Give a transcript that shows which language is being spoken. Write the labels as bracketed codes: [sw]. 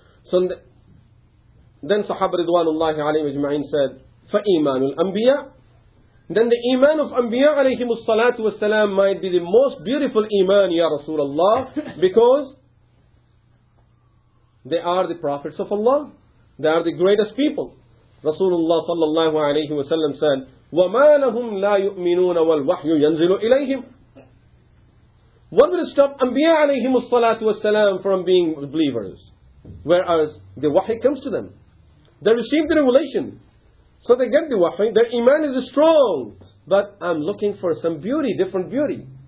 [en] So then Sahaba Ridwanullahi alayhi wa jama'in said, [ar] فَإِيمَانُ الْأَنْبِيَاءِ. [en] Then the iman of anbiya alayhimu salatu wa salam might be the most beautiful iman, ya Rasulullah, because they are the prophets of Allah. They are the greatest people. Rasulullah sallallahu alayhi wa sallam said, [ar] وَمَا لَهُمْ لَا يُؤْمِنُونَ وَالْوَحْيُ يَنْزِلُ إِلَيْهِمْ. [en] What will stop anbiya alayhimu salatu wa salam from being believers? Whereas the wahi comes to them, they receive the revelation, so they get the wahi. Their iman is strong, but I'm looking for some beauty, different beauty.